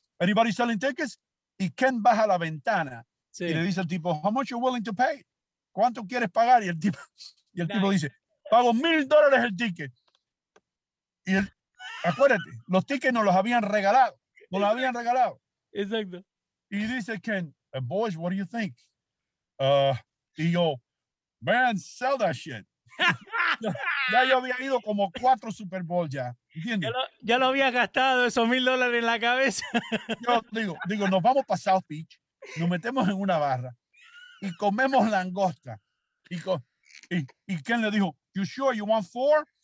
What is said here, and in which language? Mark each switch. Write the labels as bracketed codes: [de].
[en] ¿Anybody selling tickets? [es] Y Ken baja la ventana y le dice al tipo, [en] how much are you willing to pay? [es] ¿Cuánto quieres pagar? Y el tipo dice, pago $1,000 el ticket. Y él, acuérdate, los tickets nos los habían regalado. Exacto. Y dice Ken, [en] boys, what do you think? Y yo, man, sell that shit. [es] Ya yo había ido como 4 Super Bowl ya, ¿entiendes? Ya lo había gastado esos $1,000 en la cabeza. Yo digo, nos vamos para South Beach, nos metemos en una barra y comemos langosta. Y Ken le dijo, [en] you sure you want 4?